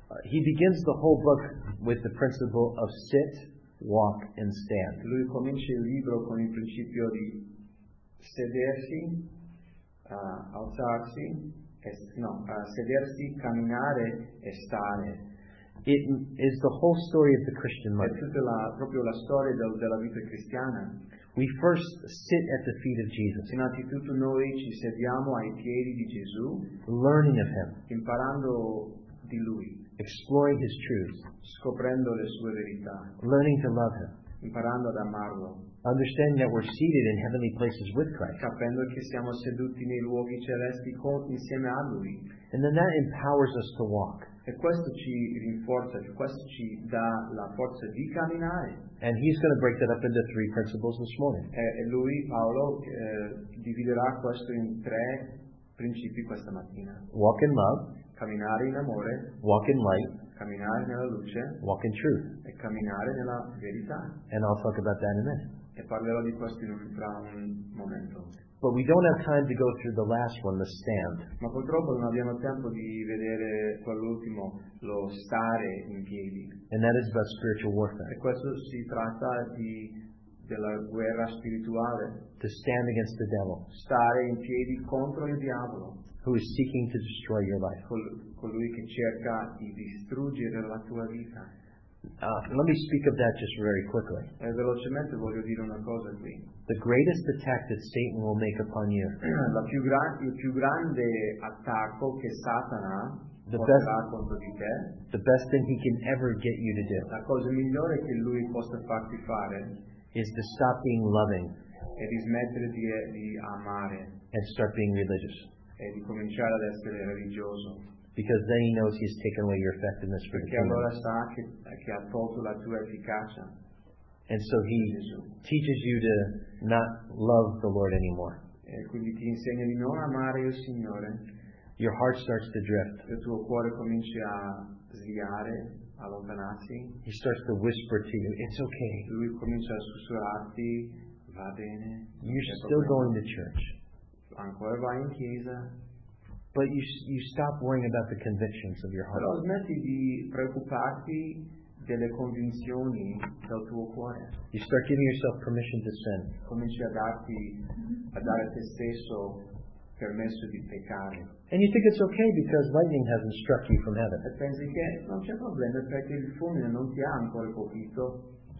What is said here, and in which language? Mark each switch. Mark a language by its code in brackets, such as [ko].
[en] He begins the whole book with the principle of sit, walk, and stand. [it] Lui comincia il libro con il principio di sedersi, alzarsi, sedersi, camminare e stare. [en] It is the whole story of the Christian life. [it] È tutta la, proprio la storia della vita cristiana. [en] We first sit at the feet of Jesus. [it] Innanzitutto noi ci sediamo ai piedi di Gesù. [en] Learning of Him. [it] Imparando di Lui. [en] Exploring His truths. [it] Scoprendo le sue verità. [en] Learning to love Him. [it] Imparando ad amarlo. [en] Understanding that we're seated in heavenly places with Christ. [it] Capendo che siamo seduti nei luoghi celesti insieme a Lui. [en] And then that empowers us to walk. [it] E questo ci rinforza, questo ci dà la forza di camminare. [en] And he's going to break that up into three principles this morning. [it] E lui, Paolo, dividerà questo in tre principi questa mattina. [en] Walk in love. [it] Camminare in amore. [en] Walk in light. [it] Camminare nella luce. [en] Walk in truth. [it] E camminare nella verità. [en] And I'll talk about that in a minute. [it] E parlerò di questo in un momento. [en] But we don't have time to go through the last one, the stand. [it] Ma purtroppo non abbiamo tempo di vedere quell'ultimo, lo stare in piedi. [en] And that is about spiritual warfare. [it] E questo si tratta di della guerra spirituale. [en] To stand against the devil. [it] Stare in piedi contro il diavolo. [en] Who is seeking to destroy your life? [it] Colui che cerca di distruggere la tua vita. [en] Let me speak of that just very quickly. [it] E velocemente voglio dire una cosa qui. [en] The greatest attack that Satan will make upon you. [it] Il più grande attacco che Satana porterà contro di te. [en] The best thing he can ever get you to do. [it] La cosa migliore che lui possa farti fare. [en] Is to stop being loving. [it] E di smettere di amare. [en] And start being religious. [it] E di cominciare ad essere religioso. [en] Because then he knows he's taken away your effectiveness for the kingdom. [it] Perché allora sa che ha tolto la tua efficacia. [en] And so he teaches you to not love the Lord anymore. [it] E quindi ti insegna di non amare il Signore. [en] Your heart starts to drift. [it] Il tuo cuore comincia a sviare, a allontanarsi. [en] He starts to whisper to you, "It's okay." [it] Lui comincia a sussurrarti, "Va bene." [en] You're still going to church. [it] Ancora vai in chiesa. [en] But you stop worrying about the convictions of your heart. [it] Però smetti di preoccuparti delle convinzioni del tuo cuore. [en] You start giving yourself permission to sin. [it] Cominci a dare a te stesso permesso di peccare. [en] And you think it's okay because lightning hasn't struck you from heaven. [it] E pensi che non c'è problema perché il fulmine non ti ha ancora colpito.